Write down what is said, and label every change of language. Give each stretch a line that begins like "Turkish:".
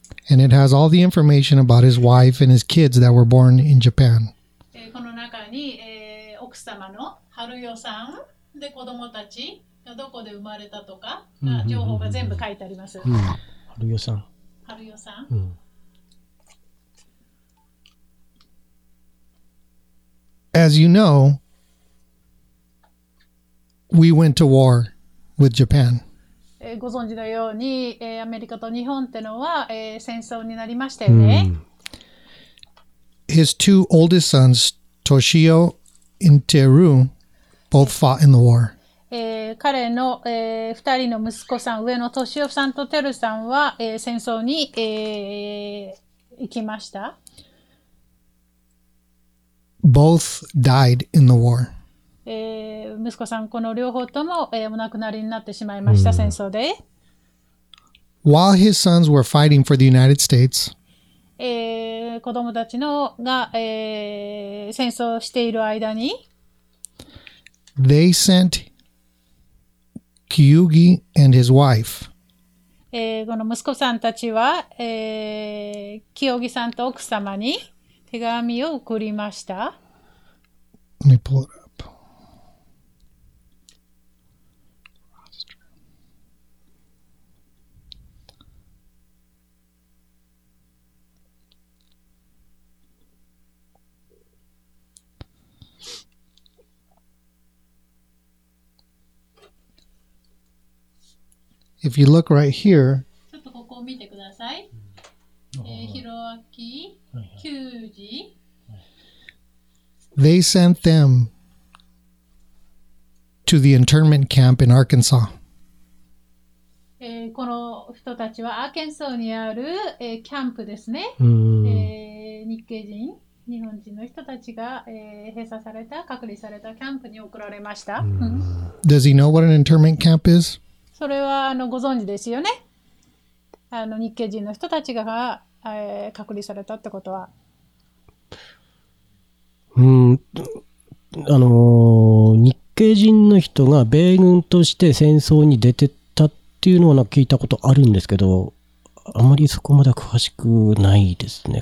English: And it has all the information about his wife and his kids that were born in Japan.
Japanese: この中に、奥様の春代さんで子供たちがどこで生まれたとか、情報が全部書いてあります。春代さん。春代さん。
English: As you know, we went to war with Japan.
Japanese: ご存知のように、アメリカと日本ってのは、戦争になりましたよね。 Mm.
English: His two oldest sons, Toshio and Teru, both fought in the war.
Japanese: 彼の、二人の息子さん、上のトシオさんとテルさんは、戦争に、行きました。
English: Both died in the war.
Japanese: 息子さんこの両方とも、お亡くなりになってしまいました、戦争で。
English: While his sons were fighting for the United States,
Japanese: 子供たちのが、戦争している間に、
English: They sent Kiyugi and his wife.
Japanese: この息子さんたちは、Kiyugi さんと奥様に手紙を送りました。
English: Let me pull it up. If you look right here,
Japanese: ちょっとここを見てください。ヒロアキ、キュージ。
English: They sent them to the internment camp in Arkansas.
Japanese: この人たちはアーケンソーにある、キャンプですね。日系人、日本人の人たちが、閉鎖された、隔離されたキャンプに送られました。
English: Does he know what an internment camp is?
Japanese: それはご存知ですよね。日系人の人たちが、隔離されたってことは。日系人の人が米軍として戦争に出てったっていうのは聞いたことあるんですけど、あまりそこまで詳しくないですね。